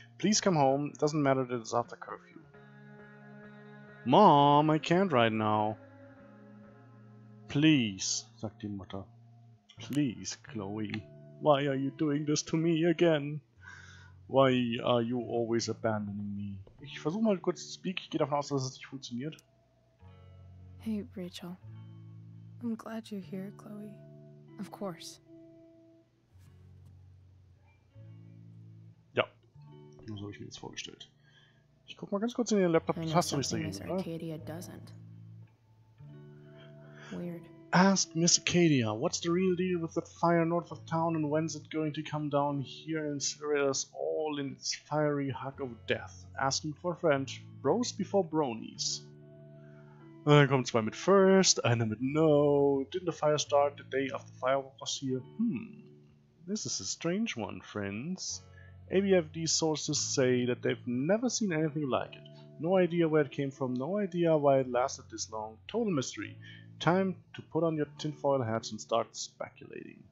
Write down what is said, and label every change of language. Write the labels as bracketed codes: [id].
[en] Please come home. It doesn't matter that it's after curfew. Mom, I can't right now. [de] Please, sagt die Mutter. Please, Chloe. [en] Why are you doing this to me again? Why are you always abandoning me? [de] Ich versuche mal kurz zu [en] speak. [de] Ich gehe davon aus, dass es nicht funktioniert. [en] Hey, Rachel. I'm glad you're here, Chloe. Of course. [de] Ja. Nur so habe ich mir das vorgestellt. Ich guck mal ganz kurz in den Laptop. Das hast du nicht dagegen, oder? [en] Arcadia doesn't. Weird. Ask Miss Acadia, what's the real deal with that fire north of town and when's it going to come down here and incinerate us all in its fiery hug of death? Ask him for a friend, bros before bronies. [de] Und dann kommen zwei mit first, einer mit no. [en] Didn't the fire start the day after the firework was here? Hmm, this is a strange one, friends. ABFD sources say that they've never seen anything like it. No idea where it came from, no idea why it lasted this long. Total mystery. Time to put on your tinfoil hats and start speculating.